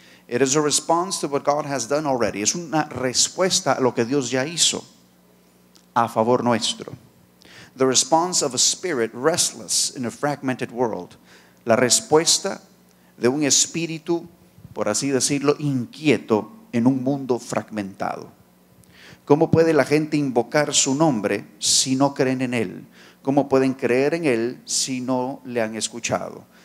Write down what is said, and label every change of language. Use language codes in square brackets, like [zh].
[en] It is a response to what God has done already. [es] Es una respuesta a lo que Dios ya hizo a favor nuestro. [en] The response of a spirit restless in a fragmented world. [es] La respuesta de un espíritu, por así decirlo, inquieto en un mundo fragmentado. ¿Cómo puede la gente invocar su nombre si no creen en él? ¿Cómo pueden creer en él si no le han escuchado?